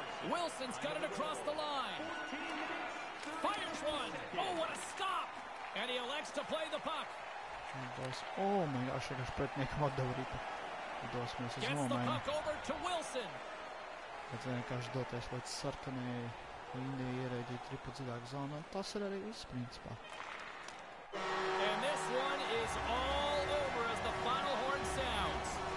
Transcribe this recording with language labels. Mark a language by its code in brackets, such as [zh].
[en] Wilson's got it across the line. Fires one. Oh, what a stop! And he elects to play the puck. Oh my gosh, I got spread naked out there. Gets the puck over to Wilson. [lv] Bet vienkārši doties līdz sarkanai līnijai ieraidīt ripu dziļāk zonā. Tas ir arī viss principā. [en] And this one is all over as the final horn sounds.